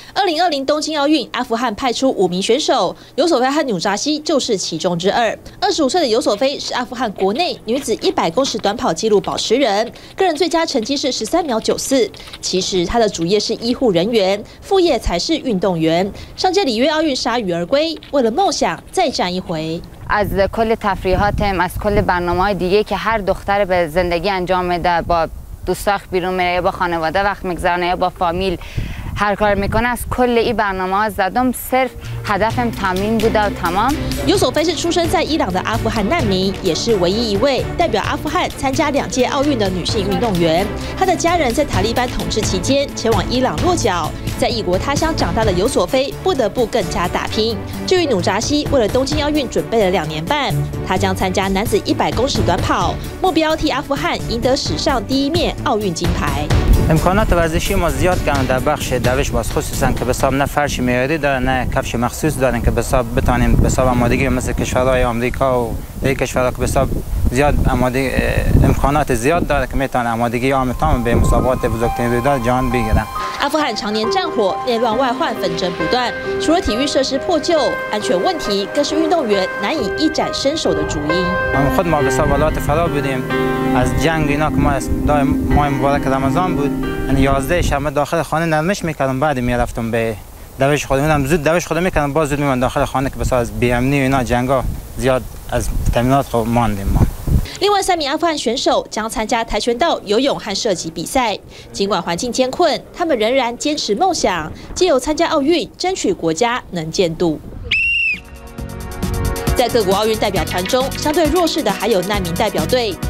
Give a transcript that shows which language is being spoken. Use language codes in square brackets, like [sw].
[zh] 2020东京奥运，阿富汗派出5名选手，尤索菲和纽扎西就是其中之二。 25岁的尤索菲是阿富汗国内女子100公尺短跑纪录保持人，个人最佳成绩是13秒94。其实她的主业是医护人员，副业才是运动员。上届里约奥运铩羽而归，为了梦想再战一回。 [fa] از کل تفریحاتم، از کل برنامه‌های دیگه که هر دختر به زندگی انجام میده با دوستاش بیرون میره با خانواده وقت میگذرونه با فامیل。 هر کار میکنه از کل این برنامه ها زدم صرف هدفم تامین بوده و تمام。 [zh] 尤索菲是出生在伊朗的阿富汗难民，也是唯一一位代表阿富汗参加两届奥运的女性运动员。她的家人在塔利班统治期间前往伊朗落脚，在异国他乡长大的尤索菲不得不更加打拼。至于努扎西，为了东京奥运准备了2年半，他将参加男子100公尺短跑，目标替阿富汗赢得史上第一面奥运金牌。 [fa] امکانات ورزشی ما زیاد کردن در بخش دوش باز خصوصا که بساب نه فرش معیاری داره نه کفش مخصوص داره که بساب بتانیم بساب آمادگی مثل کشورهای آمریکا و دیگه کشورها که بساب زیاد آماده امکانات زیاد داره که میتونه آمادگی عام تام به مسابقات بزرگترین رویداد جهان بگیره。 [zh] 阿富汗常年战火，内乱外患纷争不断，除了体育设施破旧，安全问题更是运动员难以一展身手的主因。我们自己在沙漠里面， [fa] از جنگ اینا که ما دای ماه مبارک رمضان بود 11 شب داخل خانه نرمش میکردم بعد میرفتم به دوش خودم زود دوش خودم میکردم باز زود میمونم داخل خانه که بساز بی امنی اینا جنگا زیاد از تامینات خوب ماندیم ما。 [zh] 另外3名阿富汗选手将参加跆拳道、游泳和射击比赛。尽管环境艰困，他们仍然坚持梦想，借由参加奥运争取国家能见度。在各国奥运代表团中，相对弱势的还有难民代表队。